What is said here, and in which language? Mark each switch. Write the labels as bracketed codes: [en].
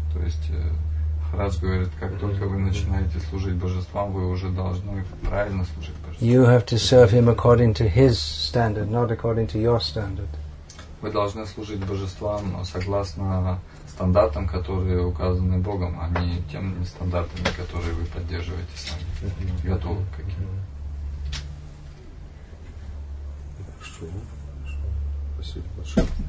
[ru] То есть, Харадж говорит, как только вы начинаете служить божествам, вы уже должны правильно служить. [en] You have to serve him according to his standard, not according to your standard. [ru] Вы должны служить божествам согласно стандартам, которые указаны Богом, а не тем стандартам, которые вы поддерживаете сами. Готовы к каким? Хорошо. Спасибо большое.